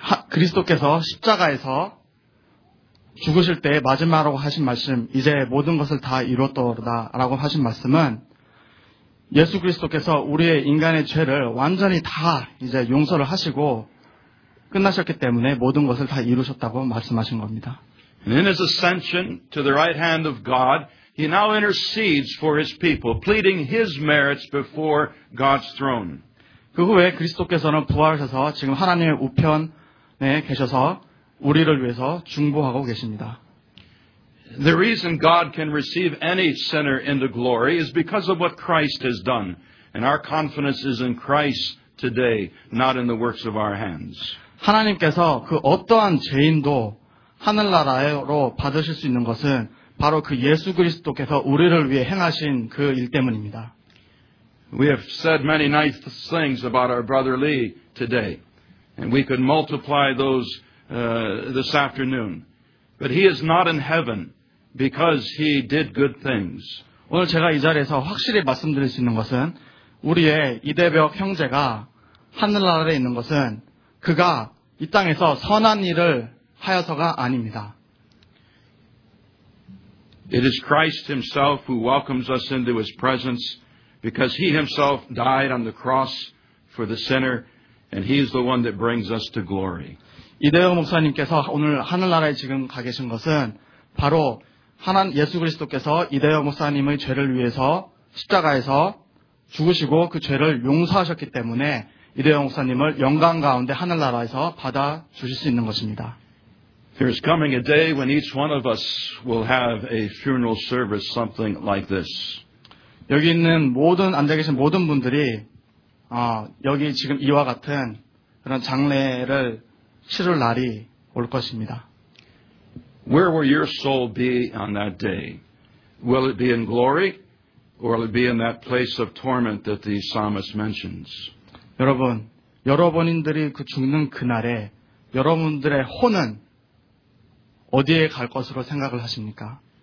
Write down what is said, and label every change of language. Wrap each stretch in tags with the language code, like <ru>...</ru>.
<ko>그리스도께서 십자가에서 죽으실 때 마지막으로 하신 말씀, 이제 모든 것을 다 이루었다 라고 하신 말씀은 예수 그리스도께서 우리의 인간의 죄를 완전히 다 이제 용서를 하시고 끝나셨기 때문에 모든 것을 다 이루셨다고 말씀하신 겁니다.</ko> <en>And in his ascension to the right hand of God, he now intercedes for his people, pleading his merits before God's throne.</en> <ko>그 후에 그리스도께서는 부활하셔서 지금 하나님의 우편에 계셔서 우리를 위해서 중보하고 계십니다.</ko> <en>The reason God can receive any sinner into glory is because of what Christ has done. And our confidence is in Christ today, not in the works of our hands.</en> <ko>하나님께서 그 어떠한 죄인도 하늘나라로 받으실 수 있는 것은 바로 그 예수 그리스도께서 우리를 위해 행하신 그 일 때문입니다.</ko> <en>We have said many nice things about our brother Lee today. And we could multiply those this afternoon. But he is not in heaven because he did good things.</en> <ko>오늘 제가 이 자리에서 확실히 말씀드릴 수 있는 것은 우리의 이대벽 형제가 하늘나라에 있는 것은 그가 이 땅에서 선한 일을 하여서가 아닙니다.</ko> <en>It is Christ himself who welcomes us into his presence because he himself died on the cross for the sinner and he is the one that brings us to glory.</en> <ko>이대영 목사님께서 오늘 하늘나라에 지금 가 계신 것은 바로 예수 그리스도께서 이대영 목사님의 죄를 위해서 십자가에서 죽으시고 그 죄를 용서하셨기 때문에 이대영 목사님을 영광 가운데 하늘나라에서 받아 주실 수 있는 것입니다.</ko> <en>There is coming a day when each one of us will have a funeral service something like this.</en> <ko>여기 있는 모든 앉아 계신 모든 분들이 여기 지금 이와 같은 그런 장례를 치를 날이 올 것입니다.</ko> <en>Where will your soul be on that day? Will it be in glory or will it be in that place of torment that the psalmist mentions?</en> <ko>여러분, 여러분들이 그 죽는 그날에 여러분들의 혼은 어디에 갈 것으로 생각을 하십니까?</ko>